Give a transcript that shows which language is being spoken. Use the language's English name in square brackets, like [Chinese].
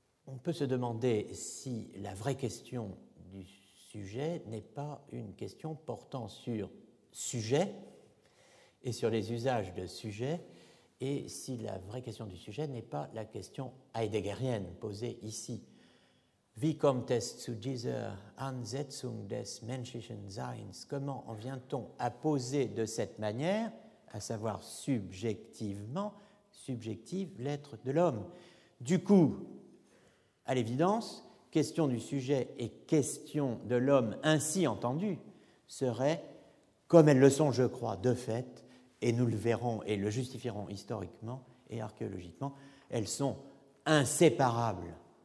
[French] on peut se demander si la vraie question du sujet n'est pas une question portant sur sujet et sur les usages de sujet, et si la vraie question du sujet n'est pas la question heideggerienne posée ici. [German] Wie kommt es zu dieser Ansetzung des menschlichen Seins? [French] Comment en vient-on à poser de cette manière, à savoir subjectivement, subjective, l'être de l'homme? Du coup, à l'évidence, question du sujet et question de l'homme ainsi entendue seraient, comme elles le sont, je crois, de fait, et nous le verrons et le justifierons historiquement et archéologiquement, elles sont inséparables.